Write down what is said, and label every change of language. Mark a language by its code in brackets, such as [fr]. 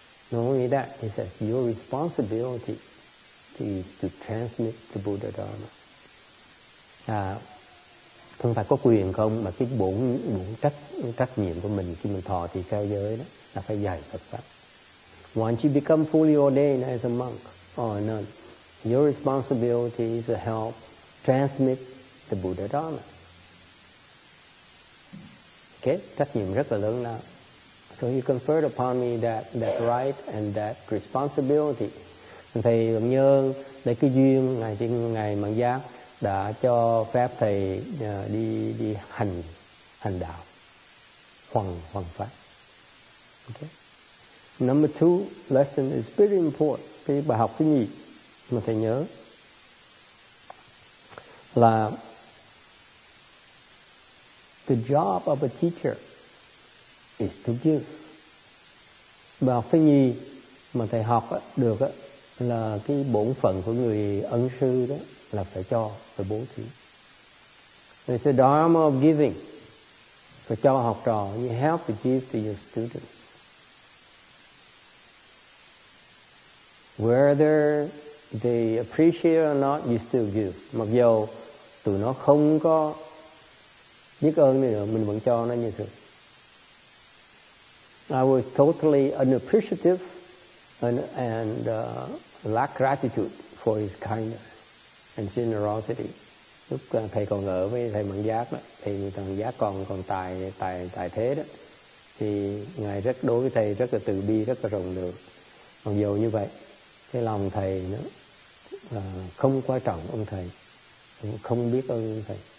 [en] Not only that, he says your responsibility is to transmit the Buddha Dharma. [vi] Không phải có quyền không, mà cái bổn trách nhiệm của mình khi mình thọ thì ca giới đó là phải dạy Phật pháp. [en] Once you become fully ordained as a monk or a nun, your responsibility is to help transmit the Buddha Dharma. [vi] Okay, trách nhiệm rất là lớn đó. [en] So he conferred upon me that right and that responsibility. [vi] Thầy cũng nhớ lấy cái duyên ngày trên ngày mạng giác đã cho phép thầy đi hành đạo hoằng pháp. Okay. [en] Number two lesson is very important. [vi] Cái bài học thứ nhì mà thầy nhớ là [en] the job of a teacher is to give. [vi] Bài học thứ nhì mà thầy học được là cái bổn phận của người ân sư đó là phải cho, phải bố thí. [en] It's the dharma of giving. [vi] Phải cho học trò. [en] You have to give to your students. Whether they appreciate or not, you still give. [vi] Mặc dù tụi nó không có biết ơn này nữa, mình vẫn cho nó như thường. [en] I was totally unappreciative and lack gratitude for his kindness and generosity. [vi] Lúc thầy còn ở với thầy Mạng Giác đó, thầy Mạng Giác còn tài thế đó, thì ngài rất đối với thầy rất là từ bi, rất là rộng lượng. Mặc dù như vậy, cái lòng thầy nó không quan trọng ông thầy, không biết ơn ông thầy.